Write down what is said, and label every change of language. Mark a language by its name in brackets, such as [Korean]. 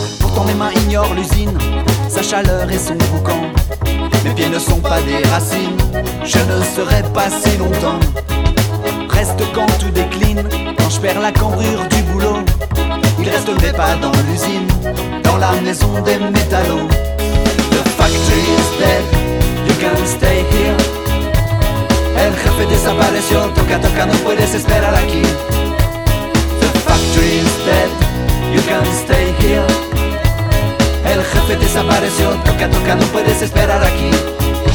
[French] Pourtant mes mains ignorent l'usine, sa chaleur et son boucan. Mes pieds ne sont pas des racines, je ne serai pas si longtemps. Reste quand tout décline, quand je perds la cambrure du boulot. Il reste mes pas dans l'usine, dans la maison des métallos. [English] The factory is dead, you can stay here. [Spanish] El jefe desapareció, toca, toca, no puedes esperar aquí. [English] The factory is dead, you can stay here. [Spanish] El jefe desapareció, toca, toca, no puedes esperar aquí.